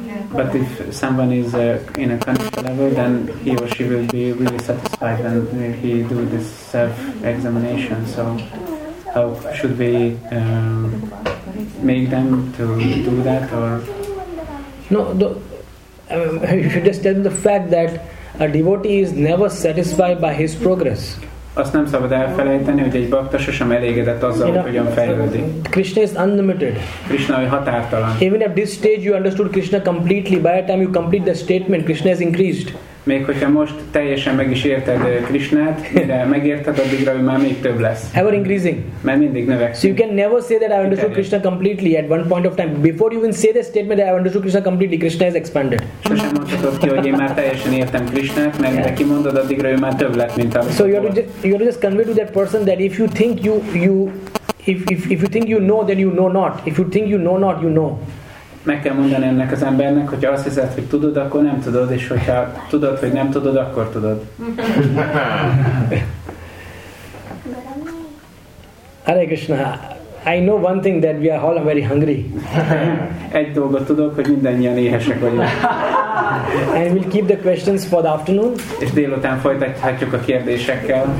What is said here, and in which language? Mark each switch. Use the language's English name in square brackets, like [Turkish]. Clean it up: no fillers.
[English] But if someone is in a conscious level, then he or she will be really satisfied when he do this self-examination. So how should we make them to do that? Or no, the you should just tell them the fact that a devotee is never satisfied by his progress. [Hungarian] Azt nem szabad elfelejteni, hogy egy bhakta sosem elégedett azzal, hogy hogyan fejlődik. [English] Krishna is unlimited. [Hungarian] Krishna határtalan. [English] Even at this stage you understood Krishna completely, by the time you complete the statement, Krishna has increased. [Hungarian] Még hogyha most teljesen meg is érted Krishnát, mire megérted, addigra ő már még több lesz. [English] Ever increasing. [Hungarian] Mert mindig növekszik. [English] So you can never say that I understood Krishna completely at one point of time. Before you even say the statement that I understood Krishna completely, Krishna has expanded. [Hungarian] Sosem mondhatod ki, hogy én már teljesen értem Krishnát, mert mire kimondod, addigra ő már több lett, mint amikor. [English] So you have to just convey to that person that if you think you you think you know, then you know not. If you think you know not, you know. [Hungarian] Meg kell mondani ennek az embernek, hogyha azt hiszed, hogy tudod, akkor nem tudod, és hogyha tudod, hogy nem tudod, akkor tudod. [English] Hare Krishna, I know one thing, that we are all very hungry. [Hungarian] Egy dolgot tudok, hogy mindannyian éhesek vagyunk. [English] And we'll keep the questions for the afternoon. [Hungarian] És délután folytatjuk a kérdésekkel.